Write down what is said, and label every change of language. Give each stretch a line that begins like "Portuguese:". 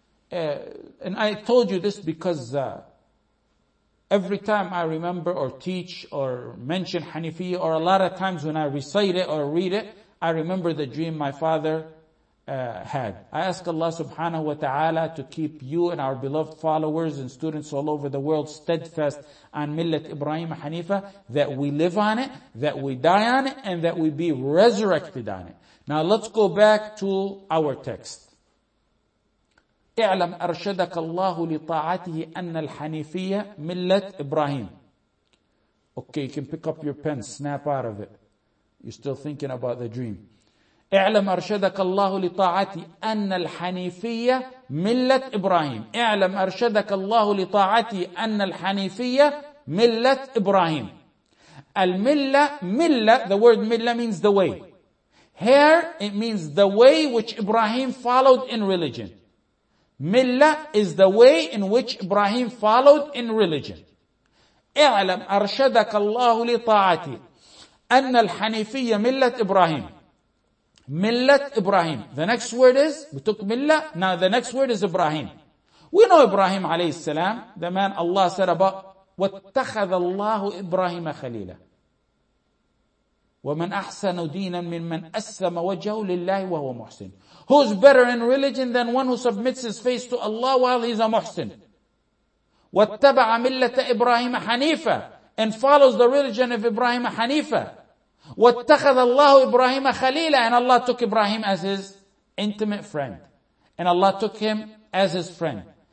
English: And I told you this because every time I remember or teach or mention Hanifiyya, or a lot of times when I recite it or read it, I remember the dream my father had. I ask Allah subhanahu wa ta'ala to keep you and our beloved followers and students all over the world steadfast on Millat Ibrahim Hanifa, that we live on it, that we die on it, and that we be resurrected on it. Now let's go back to our text.
Arabic: اعلم أرشدك الله لطاعته أن الحنيفية ملة إبراهيم.
English: Okay, you can pick up your pen, snap out of it. You're still thinking about the dream.
Arabic: اعلم أرشدك الله لطاعته أن الحنيفية ملة إبراهيم. اعلم أرشدك الله لطاعته أن الحنيفية ملة إبراهيم. الملة ملة.
English: The word ملة means the way. Here it means the way which Ibrahim followed in religion. Milla is the way in which Ibrahim followed in religion.
Arabic: اعلم أرشدك الله لطاعتي أن الحنيفية ملة إبراهيم. ملة إبراهيم.
English: The next word is, we took Milla, now the next word is Ibrahim. We know Ibrahim عليه السلام, the man Allah said about,
Arabic: واتخذ الله إبراهيم خليلا. ومن أحسن دينا ممن أسلم وجهه لله وهو محسن.
English: Who's better in religion than one who submits his face to Allah while he's a muhsin?
Arabic: وَاتَّبَعَ مِلَّةَ إِبْرَاهِيمَ حَنِيفًا.
English: and follows the religion of Ibrahim Hanifa.
Arabic: وَاتَّخَذَ اللَّهُ إِبْرَاهِيمَ خَلِيلًا.
English: And Allah took Ibrahim as his intimate friend. And Allah took him as his friend.